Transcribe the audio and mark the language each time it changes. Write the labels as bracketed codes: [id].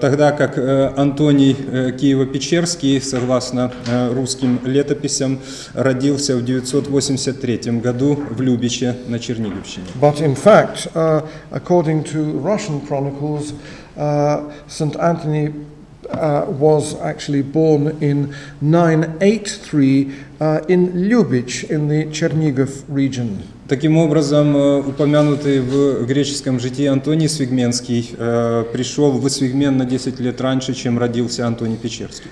[ru] Тогда как Антоний Киево-Печерский, согласно русским летописям, родился в 983 году в Любиче на Черниговщине. [en] But in fact, according to Russian chronicles, St. Anthony was actually born in 983 in Lubich in the Chernigov region. [ru] Таким образом, упомянутый в греческом житии Антоний Свигменский пришел в Свигмен на 10 лет раньше, чем родился Антоний Печерский.